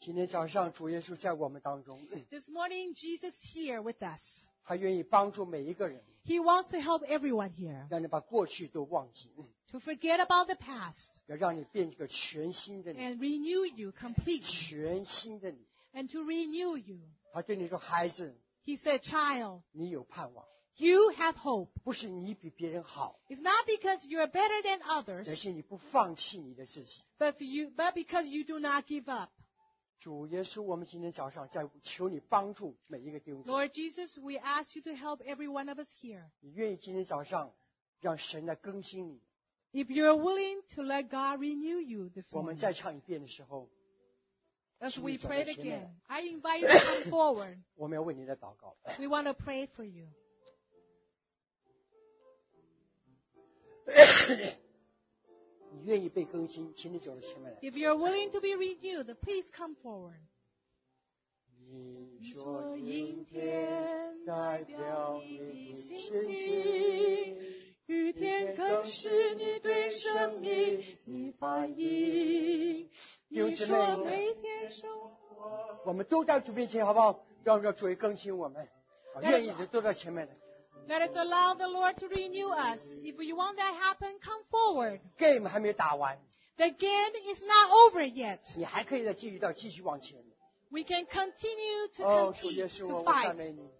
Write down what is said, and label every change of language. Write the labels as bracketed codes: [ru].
[zh] 早上主耶稣在我们当中。 [en] This morning Jesus here with us. [zh] 他愿意帮助每一个人。 [en] He wants to help everyone here. [zh] 让你把过去都忘记。 [en] To forget about the past. [zh] 要让你变一个全新的你。 [en] And renew you completely. [zh] 全新的你。 [en] And to renew you. [zh] 他对你说，孩子。 [en] He said, child. [zh] 你有盼望。 [en] You have hope. [zh] 不是你比别人好。 [en] It's not because you are better than others. [zh] 而是你不放弃你的自己。 [en] But because you do not give up. [zh] 主耶稣，我们今天早上在求你帮助每一个弟兄姊妹。 [en] Lord Jesus, we ask you to help every one of us here. [zh] 你愿意今天早上让神来更新你 [en] ？If you are willing to let God renew you this morning. [zh] 我们再唱一遍的时候 [en] ，As we prayed again, I invite you to come forward. [zh] 我们要为你来祷告。 [en] We want to pray for you. [zh] 你愿意被更新，请你走到前面来。 [en] If you are willing to be renewed, please come forward. [zh] 你说阴天代表你的心情，雨天更是你对生命的反应。你说每天生活，我们都在主面前，好不好？让主更新我们，愿意的都到前面来。 [en] Let us allow the Lord to renew us. If you want that to happen, come forward. [zh] Game 还没打完。 [en] The game is not over yet. [zh] 你还可以再继续往前。 [en] We can continue to compete, to fight.